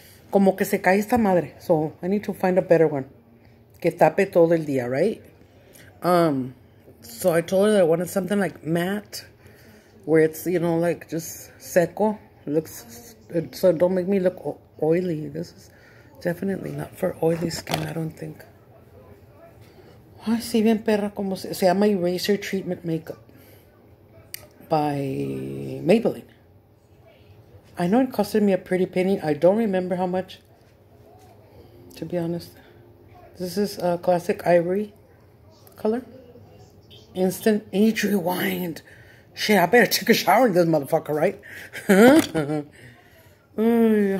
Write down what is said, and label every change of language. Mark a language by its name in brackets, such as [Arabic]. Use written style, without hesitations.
[Spanish] Como que se cae esta madre. [English] So, I need to find a better one. [Spanish] Que tape todo el día, right? [English] So, I told her that I wanted something like matte. Where it's, you know, like just seco. Looks, so don't make me look oily. This is definitely not for oily skin, I don't think. [Spanish] Ay, si bien perra, como se llama Eraser Treatment Makeup. [English] By Maybelline. I know it costed me a pretty penny. I don't remember how much, to be honest. This is a classic ivory color. Instant age rewind. Shit, I better take a shower in this motherfucker, right?